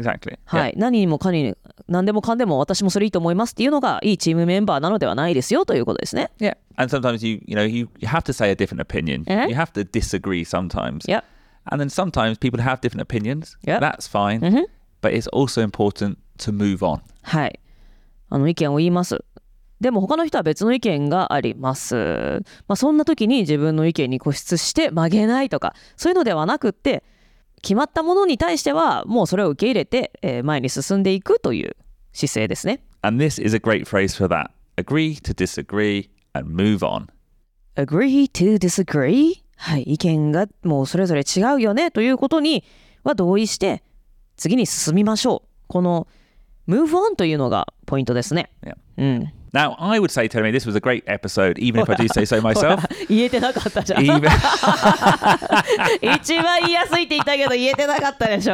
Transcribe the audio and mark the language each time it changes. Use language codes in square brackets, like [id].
[en] exactly. [ja] はい、 [en] yeah. [ja] 何にもかに何でもかんでも私もそれいいと思いますっていうのがいいチームメンバーなのではないですよということですね。 [en] Yeah, and sometimes you have to say a different opinion.、 Uh-huh. You have to disagree sometimes. Yeah, and then sometimes people have different opinions. Yeah, that's fine.、 Uh-huh. But it's also important to move on. [ja] はい、意見を言います。でも他の人は別の意見があります。まあそんな時に自分の意見に固執して曲げないとかそういうのではなくって。決まったものに対してはもうそれを受け入れて前に進んでいくという姿勢ですね。 [en] And this is a great phrase for that. Agree to disagree and move on. Agree to disagree? [ja] はい、意見がもうそれぞれ違うよねということには同意して次に進みましょう。この [en] move on [ja] というのがポイントですね。 [en] Yeah. Now, I would say, Tony, this was a great episode, even if I do say so myself. [ja] 言えてなかったじゃん。 [en] Even... [ja] 一番言いやすいって言ったけど言えてなかったでしょ。